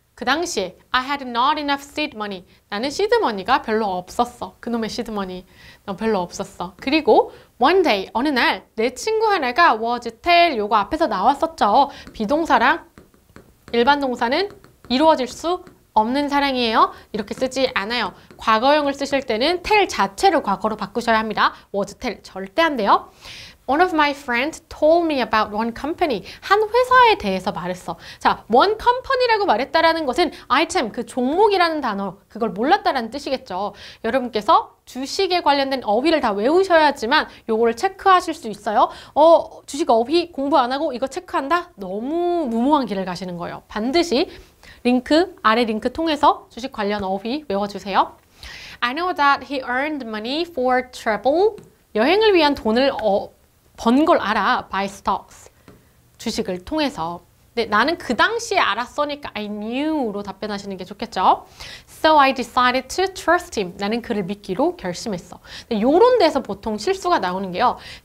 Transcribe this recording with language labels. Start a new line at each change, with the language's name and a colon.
Korean: 그 당시에
English: I had not enough seed money.
Korean: 나는 시드 머니가 별로 없었어. 그놈의 시드 머니. 나 별로 없었어. 그리고
English: one day,
Korean: 어느 날 내 친구 하나가
English: was, tell
Korean: 요거 앞에서 나왔었죠. 비동사랑 일반 동사는 이루어질 수 없는 사랑이에요. 이렇게 쓰지 않아요. 과거형을 쓰실 때는 tell 자체를 과거로 바꾸셔야 합니다.
English: was, tell
Korean: 절대 안 돼요.
English: One of my friends told me about one company.
Korean: 한 회사에 대해서 말했어. 자, one company라고 말했다라는 것은 item, 그 종목이라는 단어, 그걸 몰랐다라는 뜻이겠죠. 여러분께서 주식에 관련된 어휘를 다 외우셔야지만 요거를 체크하실 수 있어요. 주식 어휘 공부 안 하고 이거 체크한다? 너무 무모한 길을 가시는 거예요. 반드시 링크, 아래 링크 통해서 주식 관련 어휘 외워주세요.
English: I know that he earned money for travel.
Korean: 여행을 위한 돈을 번 걸 알아.
English: By stocks.
Korean: 주식을 통해서. 근데 나는 그 당시에 알았으니까
English: I knew
Korean: 로 답변하시는 게 좋겠죠.
English: So I decided to trust him.
Korean: 나는 그를 믿기로 결심했어. 근데 요런 데서 보통 실수가 나오는 게요.